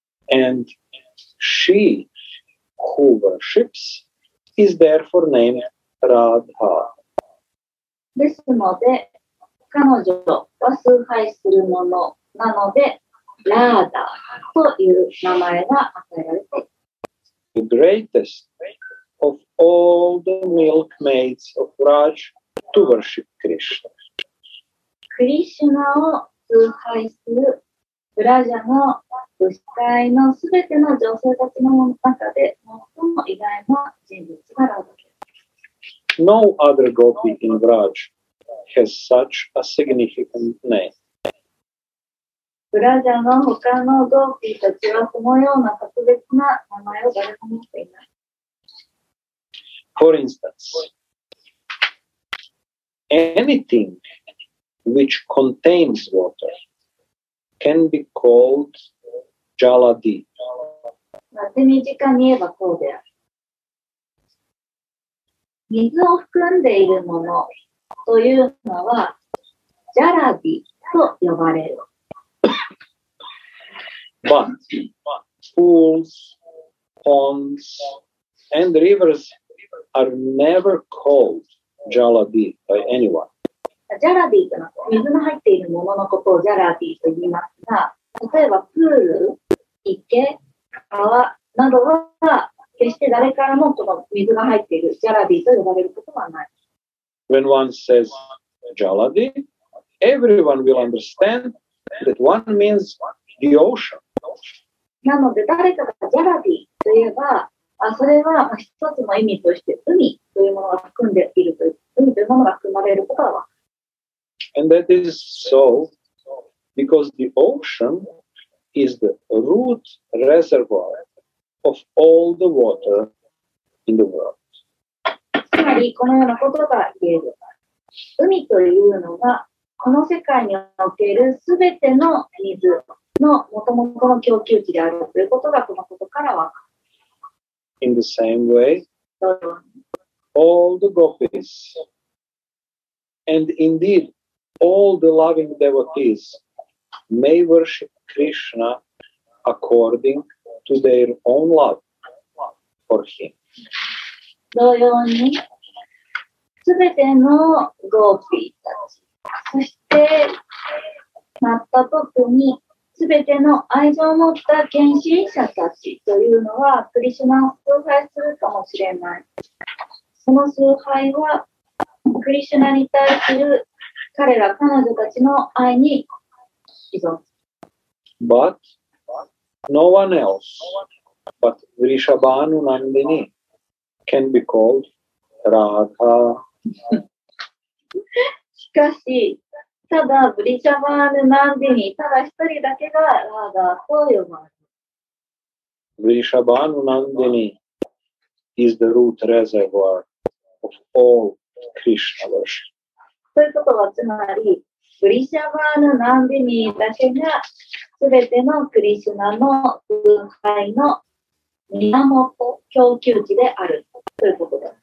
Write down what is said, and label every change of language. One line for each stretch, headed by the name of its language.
English: And she who worships is therefore named Radha.
Japanese: ですので彼女は崇拝するものなのでラーダという名前が与えられている。
English: The greatest of all the milkmaids of Raj to worship Krishna.
Japanese: クリシュナを崇拝するブラジャの牛飼いのすべての女性たちの中で最も偉大な人物がラーダです。
English: No other gopi in Raj has such a significant name.
Japanese: ブラジャの他のゴーピーたちはこのような特別な名前を誰も持っていない。
English: For instance, anything which contains water can be called jaladi.
Japanese: 手短に言えばそうである。水を含んでいるものというのはジャラディと呼ばれる。
English: But pools, ponds, and rivers are never called jaladi by anyone.
Japanese: ジャラディというのは水の入っているもののことをジャラディと言いますが、例えばプール、池、川などは決して誰からもこの水が入っているジャラディと呼ばれることはない。
English: When one says Jaladi, everyone will understand that one means the ocean.
Japanese: なので誰かがジャラディと言えば、それは一つの意味として海というものが含んでいるという、海というものが含まれることは。
English: And that is so because the ocean is the root reservoir of all the water in the world.
Japanese: つまりこのようなことが言える。海というのがこの世界におけるすべての水のもともとの供給地であるということがこのことからわかる。
English: In the same way, all the gopis and indeed,All the loving devotees may worship Krishna according to their own love for him.
Japanese: 同様に、すべてのゴーピーたち、そして、また特に、すべての愛情を持った献身者たちというのは、クリシュナを崇拝するかもしれない。その崇拝は、クリシュナに対する彼ら彼女たちの愛に依存。
English: But no one else but Vrishabhanu Nandini can be called Radha.
Japanese: しかし、ただ Vrishabhanu Nandini ただ一人だけが Radha と呼ばれる。
English: Vrishabhanu Nandini is the root reservoir of all Krishna worship.
Japanese: ということはつまり、クリシャバーヌ・ナンディニーだけが、すべてのクリシュナの崇拝の源、供給地であるということ